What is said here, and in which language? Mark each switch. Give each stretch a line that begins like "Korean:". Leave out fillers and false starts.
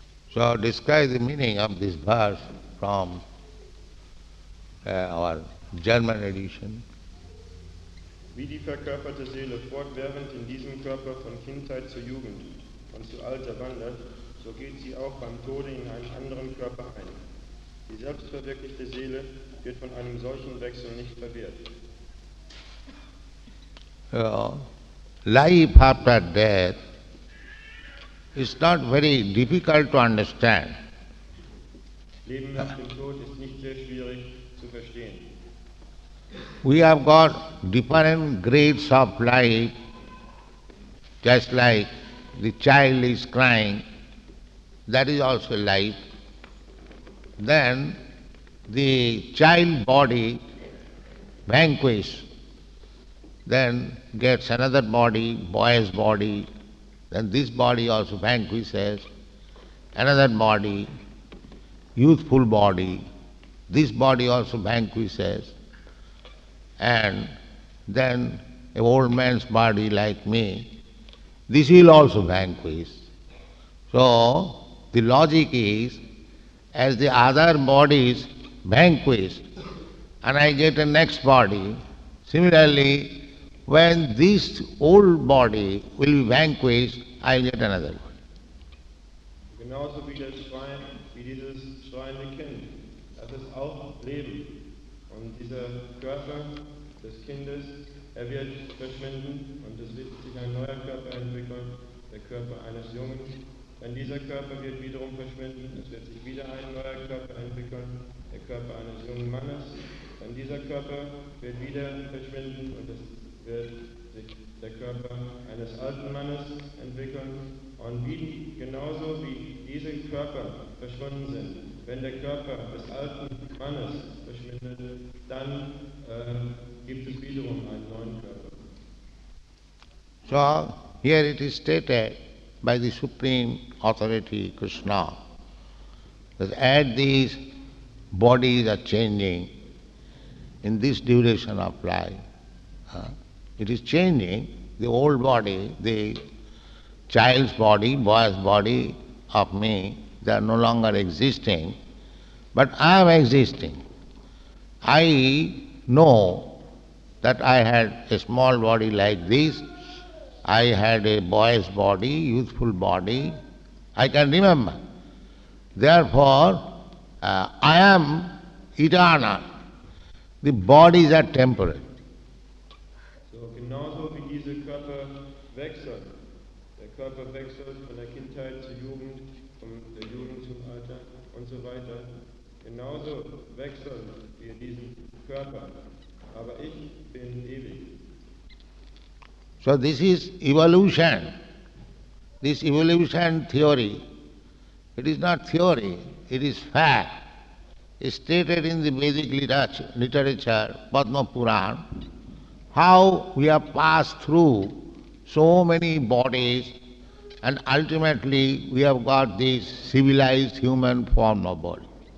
English: So I'll describe the meaning of this verse from our German edition.
German: Wie die verkörperte Seele fortwährend in diesem Körper von Kindheit zu Jugend und zu Alter wandert, so geht sie auch beim Tode in einen anderen Körper ein. Die selbstverwirklichte Seele wird von einem solchen Wechsel nicht verwehrt.
English: Life after death is not very difficult to understand.
German: Leben nach dem Tod ist nicht sehr schwierig zu verstehen.
English: We have got different grades of life, just like the child is crying, that is also life. Then the child body vanquishes, then gets another body, boy's body, then this body also vanquishes, another body, youthful body, this body also vanquishes. And then an old man's body like me, this will also vanquish. So the logic is, as the other bodies vanquish and I get a next body, similarly, when this old body will be vanquished, I will get another body.
German: Genauso wie das Schwein, wie dieses schreiende Kind, das ist auch Leben. Und dieser Körper des Kindes, er wird verschwinden und es wird sich ein neuer Körper entwickeln, der Körper eines Jungen. Wenn dieser Körper wird wiederum verschwinden, es wird sich wieder ein neuer Körper entwickeln, der Körper eines jungen Mannes. Dann dieser Körper wird wieder verschwinden und es wird sich der Körper eines alten Mannes entwickeln. Und wie, genauso wie diese Körper verschwunden sind, wenn der Körper des alten Mannes verschwindet, dann gibt es wiederum einen neuen Körper.
English: So, here it is stated by the Supreme Authority Krishna, that as these bodies are changing in this duration of life, it is changing, the old body, the child's body, boy's body of me, they are no longer existing, but I am existing. I know that I had a small body like this, I had a boy's body, youthful body, I can remember. Therefore, I am eternal. The bodies are temporary.
German: So, genauso wie dieser Körper wechselt, der Körper wechselt von der Kindheit zur Jugend, von der Jugend zum Alter und so weiter, genauso wechseln wir diesen Körper. Aber ich bin ewig.
English: So this is evolution, this evolution theory, it is not theory, it is fact, it is stated in the Vedic literature, Padma Purana, how we have passed through so many bodies and ultimately we have got this civilized human form of body.